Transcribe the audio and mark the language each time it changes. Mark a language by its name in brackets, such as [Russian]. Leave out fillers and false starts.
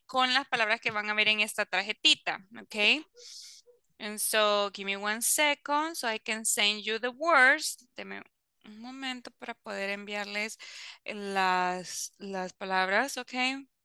[Spanish] Con las palabras que van a ver en esta tarjetita, ¿ok? [English] And so, give me one second so I can send you the words. [Spanish] Deme un momento para poder enviarles las palabras, ¿ok?